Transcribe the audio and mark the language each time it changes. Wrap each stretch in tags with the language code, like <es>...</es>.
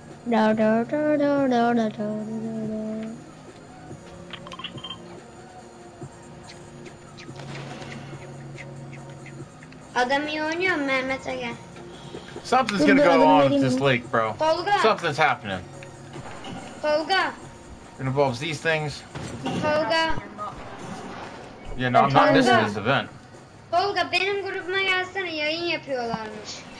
<tr>Da da da da da da da da da da. Adam iyi oynuyor Mehmet Ege.</tr> <en>Something's gonna go on with this leak, bro. Tolga. Something's happening. Tolga. It involves these things. Tolga. Yeah, no, I'm not missing this event.</en> <tr>Tolga, benim grubuma gelsene, yayın yapıyorlarmış.</tr>